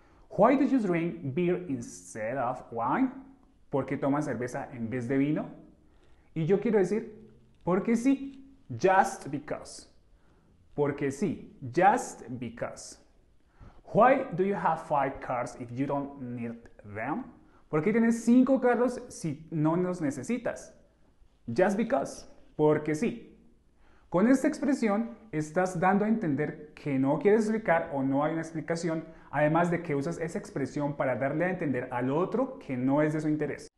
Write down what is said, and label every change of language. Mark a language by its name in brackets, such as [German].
[English] Why do you drink beer instead of wine? [Spanish] ¿Por qué tomas cerveza en vez de vino? Y yo quiero decir, porque sí, [English] just because. [Spanish] Porque sí, [English] just because. Why do you have five cars if you don't need them? [Spanish] ¿Por qué tienes cinco carros si no los necesitas? [English] Just because. [Spanish] Porque sí. Con esta expresión estás dando a entender que no quieres explicar o no hay una explicación, además de que usas esa expresión para darle a entender al otro que no es de su interés.